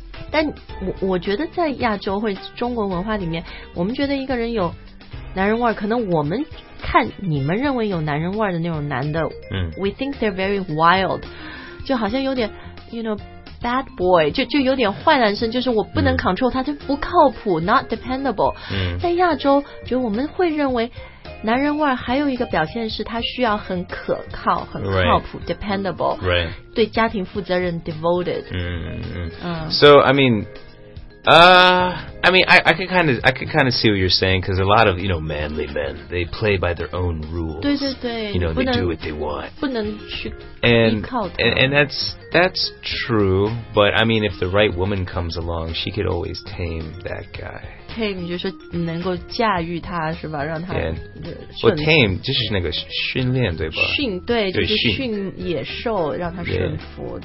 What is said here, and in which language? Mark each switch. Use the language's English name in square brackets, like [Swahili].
[Chinese] 但我觉得在亚洲或者中国文化里面我们觉得一个人有男人味儿可能我们看你们认为有男人味儿的那种男的 [English] we think they're very wild [Chinese] 就好像有点 you know bad boy 就有点坏男生就是我不能 control 他就不靠谱 not dependable 在亚洲就我们会认为男人味儿还有一个表现是他需要很可靠很靠谱 [English] right. dependable right. [Chinese] 对家庭负责任 devoted [English] so I meanI can kind of see what you're saying because a lot of you know manly men they play by their own rules. [Chinese] 对对对 [English] you know they do what they want. [Chinese] 不能去 [English] And that's true. But I mean, if the right woman comes along, she could always tame that guy. [Chinese] Tame 就是能够驾驭他是吧？让他 yeah. Well, tame 就是那个训练对吧？训对就是训野兽让他顺服